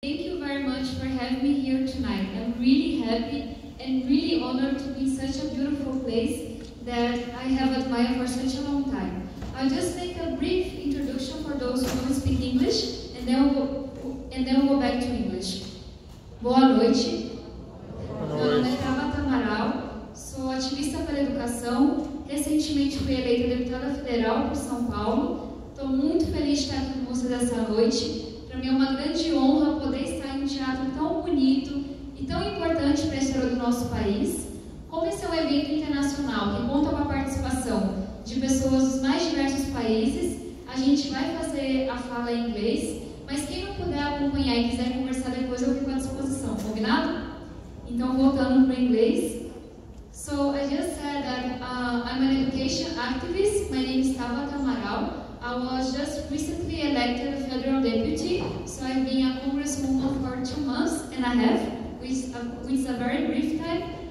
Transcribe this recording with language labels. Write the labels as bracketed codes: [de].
[en] Thank you very much for having me here tonight. I'm really happy and really honored to be in such a beautiful place that I have admired for such a long time. I'll just make a brief introduction for those who don't speak English, and then we'll go back to English. [pt] Boa noite. Meu nome é Tabata Amaral, sou ativista pela educação, recentemente fui eleita deputada federal por São Paulo. Estou muito feliz de estar aqui com vocês essa noite. Para mim é uma grande honra poder estar em um teatro tão bonito e tão importante para a história do nosso país. Como esse é um evento internacional que conta com a participação de pessoas dos mais diversos países, a gente vai fazer a fala em inglês, mas quem não puder acompanhar e quiser conversar depois, eu fico à disposição, combinado? Então, voltando para o inglês. [en] So, I just said that I'm an education activist. My name is Tabata Amaral. I was just recently elected a federal deputy, so I've been a congresswoman for 2 months and a half, which is a very brief time.